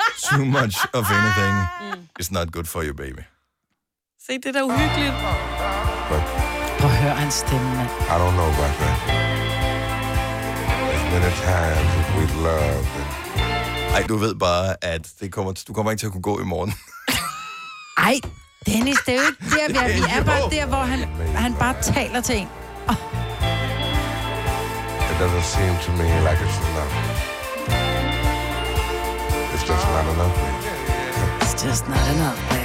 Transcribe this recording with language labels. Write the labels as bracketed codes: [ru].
[en] Too much of anything is not good for you, baby. [da] Se, det der uhyggeligt. Prøv at høre hans stemme, mand. [en] I don't know about that. As many times as we loved it. [da] Ej, du ved bare, at det kommer, du kommer ikke til at kunne gå i morgen. Ej, Dennis, det er jo ikke der, vi er. Vi er bare der, hvor han bare taler til en. [en] Doesn't seem to me like it's enough. It's just not enough, baby. It's just not enough, baby.